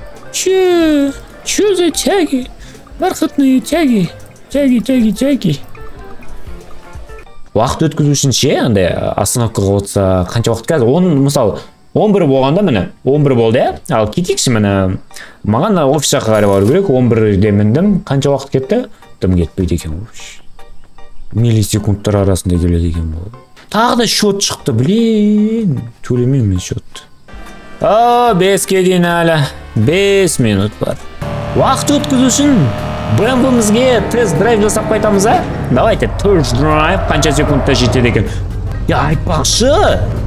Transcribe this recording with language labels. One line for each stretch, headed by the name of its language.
Russian: Че? Че за тяги? Бархатные тяги? Тяги.
Kazakh: Уақыт өткізу үшін ше, андай остановкаға отырса, қанша уақыт қазір? Оның мысалы, 11 болғанда міне, 11 болды, ал кетейікші міне, маған офис жаққа қарай бару керек, 11-де міндім, қанша уақыт кетті? Дым кетпейді екен, вообще. Миллисекундтар арасында келеді екен болды. Тағы да счет шықты, блин, төлемеймін мен счетті. 5-ке дейін әлі. 5 минут бар. Уақыт өткізу үшін BMW-мізге тест драйв жасап қайтамыз, а? Давайте, тест драйв қанша секундта жетеді екен? Я айтпақшы!